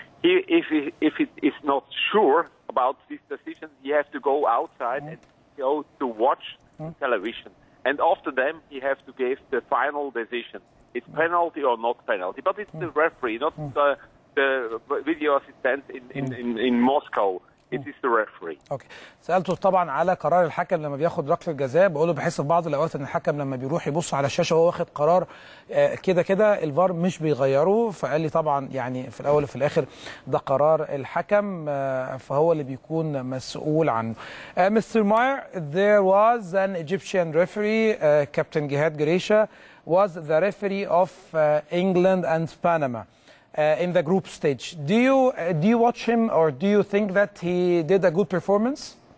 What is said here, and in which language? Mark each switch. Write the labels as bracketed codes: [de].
[en] He, if it is not sure about this decision, he has to go outside and go to watch television. And after them, he has to give the final decision. It's penalty or not penalty, but it's the referee, not the video assistant in Moscow. It is the referee. Okay. [ar] سألته طبعا على قرار الحكم لما بياخد ركلة جزاء. بقوله بحس في بعض الأوقات أن الحكم لما بيروح يبص على الشاشة وهو واخد قرار كده كده الفار مش بيغيره. فقال لي طبعا يعني في الأول وفي الآخر ده قرار الحكم, فهو اللي بيكون مسؤول عنه. [en] Mr. Meyer, there was an Egyptian referee, Captain Gihad Gresha, was the referee of England and Panama. In the group stage, do you watch him, or do you think that he did a good performance?